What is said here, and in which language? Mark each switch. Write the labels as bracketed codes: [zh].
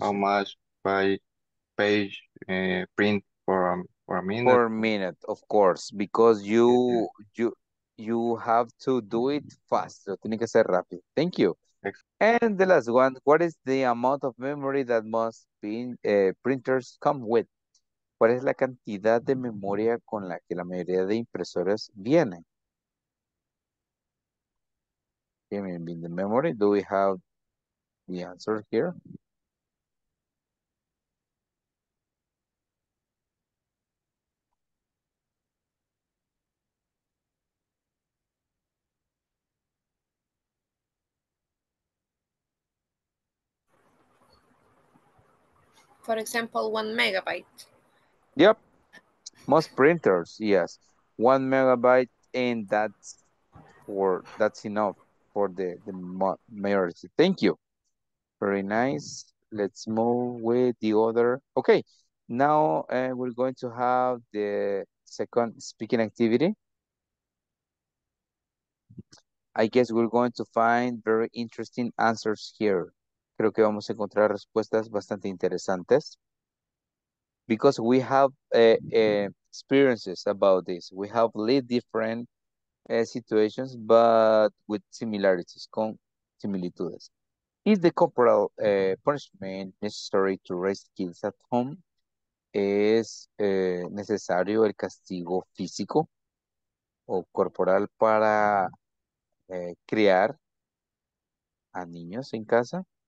[en] How much page print for a minute? Per minute, of course, because you have to do it fast. So, [es] tiene que ser rápido. [en] Thank you. And the last one, what is the amount of memory that most printers come with? [es] ¿Cuál es la cantidad de memoria con la que la mayoría de impresoras vienen? [en] In the memory, do we have the answer here? For example, 1 megabyte. Yep. Most printers, yes. 1 megabyte, and that's enough for the majority. Thank you. Very nice. Let's move with the other. Okay. Now we're going to have the second speaking activity. I guess we're going to find very interesting answers here. [es] Creo que vamos a encontrar respuestas bastante interesantes. [en] Because we have experiences about this. We have lived different situations, but with similarities, [es] con similitudes. [en] Is the corporal punishment necessary to raise kids at home? [es] ¿Es necesario el castigo físico o corporal para criar a niños en casa?